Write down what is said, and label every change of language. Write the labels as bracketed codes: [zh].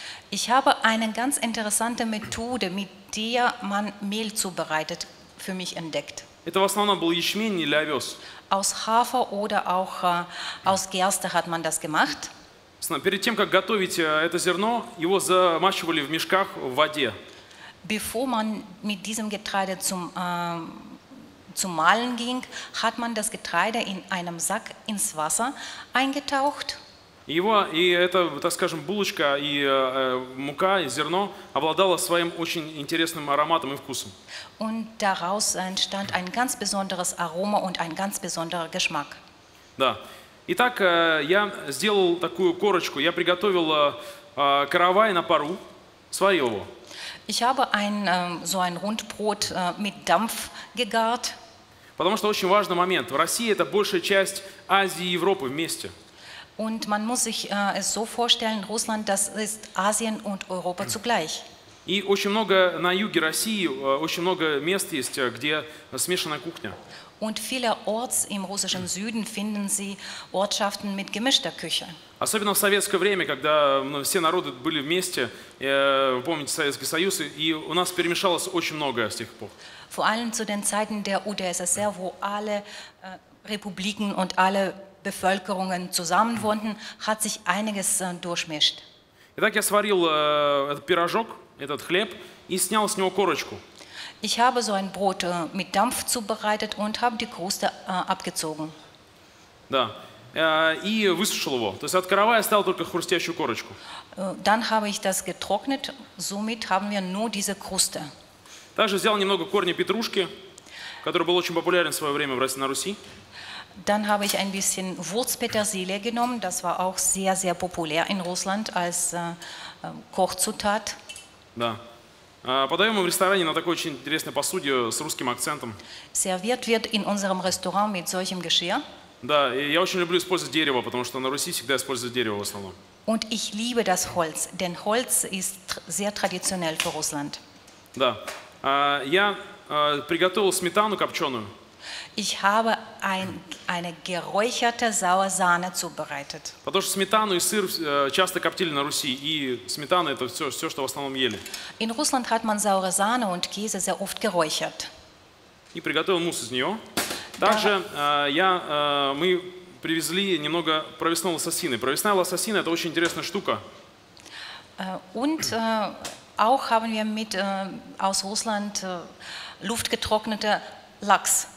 [de] Ich habe eine ganz interessante Methode, mit der man Mehl zubereitet, für mich entdeckt. [ru] Это в основном был ячмень или овес. [de] Aus Hafer oder auch aus Gerste hat man das gemacht. [ru] Перед тем, как готовить это зерно, его замачивали в мешках в воде. [de] Bevor man mit diesem Getreide zum Mahlen ging, hat man das Getreide in einem Sack ins Wasser eingetaucht. [ru] Его, и это, так скажем, булочка и мука, и зерно обладало своим очень интересным ароматом и вкусом. [de] Und daraus entstand ein ganz besonderes Aroma und ein ganz besonderer Geschmack. [ru] Да. Итак, я сделал такую корочку. Я приготовил каравай на пару, сварил его. [de] Ich habe ein Rundbrot mit Dampf gegart. [ru] Потому что очень важный момент. В России это большая часть Азии и Европы вместе. [de] Und man muss sich es so vorstellen, Russland, das ist Asien und Europa zugleich. [ru] И очень много на юге России, очень много мест есть, где смешанная кухня. [de] Und vielerorts im russischen Süden finden Sie Ortschaften mit gemischter Küche. [ru] Особенно в советское время, когда все народы были вместе, вы помните Советский Союз, и у нас перемешалось очень много с тех пор. [de] Vor allem zu den Zeiten der UdSSR, wo alle Republiken und alle Bevölkerungen zusammen wohnten, hat sich einiges durchmischt. [ru] Итак, я сварил этот пирожок, этот хлеб, и снял с него корочку. [de] Ich habe so ein Brot mit Dampf zubereitet und habe die Kruste abgezogen. [ru] Да. И высушил его. То есть от каравая осталась только хрустящую корочку. [de] Dann habe ich das getrocknet, somit haben wir nur diese Kruste. [ru] Также взял немного корня петрушки, который был очень популярен в свое время в России, на Руси. [de] Dann habe ich ein bisschen Wurzpetersilie genommen, das war auch sehr, sehr populär in Russland als Kochzutat. [ru] Да. Подаем мы в ресторане на такой очень интересной посуде с русским акцентом. [de] Serviert wird in unserem Restaurant mit solchem Geschirr. [ru] Да, и я очень люблю использовать дерево, потому что на Руси всегда используют дерево в основном. [de] Und ich liebe das Holz, denn Holz ist sehr traditionell für Russland. [ru] Да. Я приготовил сметану копченую. [de] Ich habe eine geräucherte Sauersahne zubereitet. [ru] Потому что сметану и сыр часто коптили на Руси, и сметана это все, что в основном ели. [de] In Russland hat man saure Sahne und Käse sehr oft geräuchert. [ru] И приготовил мусс из нее. Также мы привезли немного провесного лососины. Провесная лососина это очень интересная штука. [de] Und auch haben wir mit aus Russland luftgetrocknete Lachs.